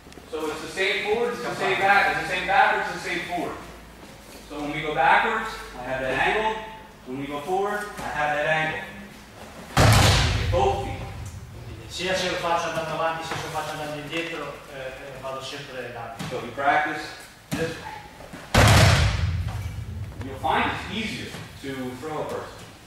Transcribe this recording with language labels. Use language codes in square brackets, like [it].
[en] So it's the same forward, it's the same back, it's the same backwards, it's the same forward. So when we go backwards, I have that angle. When we go forward, I have that angle. We get both feet. [it] Sia se lo faccio andando avanti, sia se lo faccio andando indietro, vado sempre avanti. [en] So you practice this way. You'll find it's easier to throw a person.